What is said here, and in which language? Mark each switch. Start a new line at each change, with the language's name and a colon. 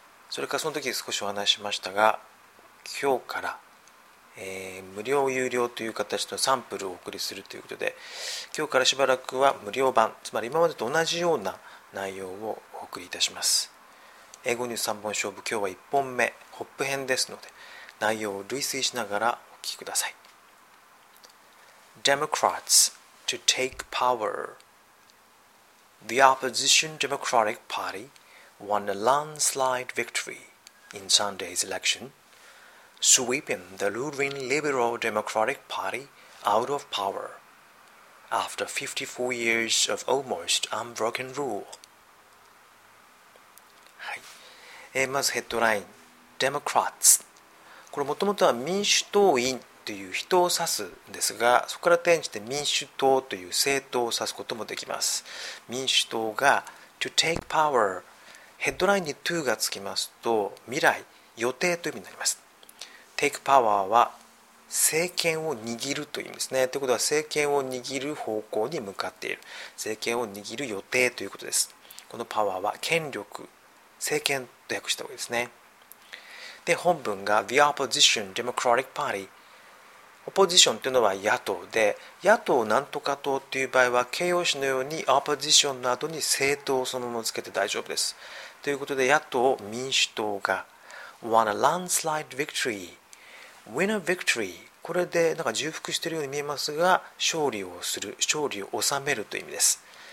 Japanese: それからその時少しお話ししましたが、今日から無料有料という形のサンプルをお送りするということで、今日からしばらくは無料版、つまり今までと同じような内容をお送りいたします。英語ニュース3本勝負、今日は1本目ホップ編ですので、内容を類推しながらお聞きください。
English: Democrats to take power. The opposition Democratic Party won a landslide victory in Sunday's electionSweeping the ruling Liberal Democratic Party out of power after 54 years of almost unbroken rule.、
Japanese: はい、まずヘッドライン、
English: Democrats。
Japanese: これもともとは民主党員という人を指すんですが、そこから転じて民主党という政党を指すこともできます。民主党が
English: to take power。
Japanese: ヘッドラインに to がつきますと、未来、予定という意味になります。
English: Take power
Japanese: は政権を握るという意味ですね。ということは政権を握る方向に向かっている。政権を握る予定ということです。この power は権力、政権と訳した方がいいですね。で、本文が
English: The Opposition Democratic Party。
Japanese: オポジションというのは野党で、野党なんとか党という場合は形容詞のように opposition の後に政党をそのままつけて大丈夫です。ということで野党、民主党が
English: won a landslide victory。 Win a victory、
Japanese: これでなんか重複しているように見えますが、勝利をする、勝利を収めるという意味です。